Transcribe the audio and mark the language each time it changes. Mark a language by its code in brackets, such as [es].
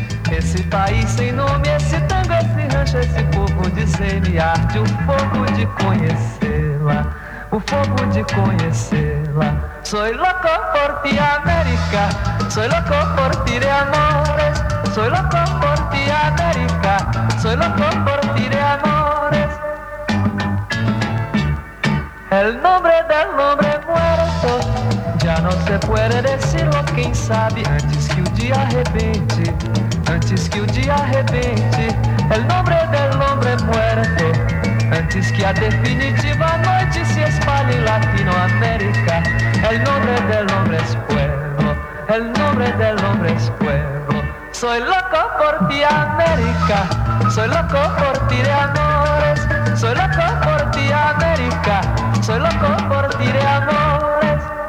[pt] Esse país sem nome, esse tango, esse rancho, esse povo de semi-arte, o fogo de conhecê-la, o fogo de conhecê-la. [es] Soy loco por ti, América, soy loco por ti, de amores. Soy loco por ti, América, soy loco por ti, de amores. El nombre del nombre muerto, ya no se puede decirlo, quién sabe, antes que un día arrepente. [pt] Antes que o dia arrebente, [es] el nombre del hombre muerto. [pt] Antes que a definitiva noite se espalhe em Latinoamérica. [es] El nombre del hombre es pueblo, el nombre del hombre es pueblo. Soy loco por ti, América. Soy loco por ti, de amores. Soy loco por ti, América. Soy loco por ti, de amores.